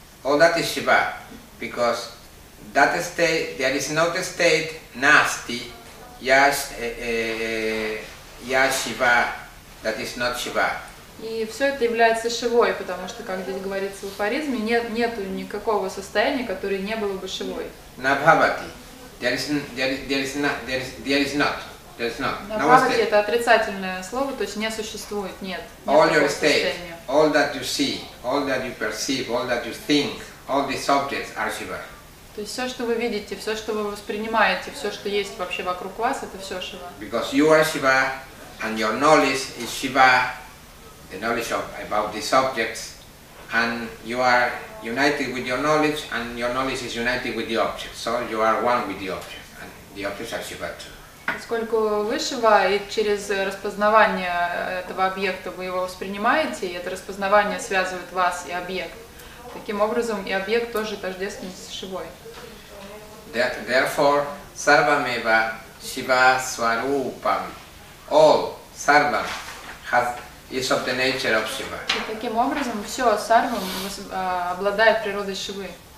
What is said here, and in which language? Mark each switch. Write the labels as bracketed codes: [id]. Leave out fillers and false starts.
[en] All that is Shiva, because that state, there is not a state nasti ya Shiva. That is not Shiva. [ru] И все это является Шивой, потому что, как здесь говорится в афоризме, нету никакого состояния, которое не было бы Шивой. [en] Набхавати. There is not. [ru] Набхавати это отрицательное слово, то есть не существует, нет. [en] All your state, all that you see, all that you perceive, all that you think, all these objects are Shiva. [ru] То есть все, что вы видите, все, что вы воспринимаете, все, что есть вообще вокруг вас, это все Шива. [en] Because you are Shiva. And your knowledge is Shiva, the knowledge of about these objects, and you are united with your knowledge, and your knowledge is united with the object. So you are one with the object, and the objects are Shiva too. [ru] Поскольку вы Шива, и через распознавание этого объекта вы его воспринимаете, и это распознавание связывает вас и объект. Таким образом, и объект тоже тождественен с Шивой. [en] Therefore, sarvam eva Shiva swarupam. All, sarvam, is of the nature of Shiva. [ru] И таким образом, все сарвам обладает природой Шивы.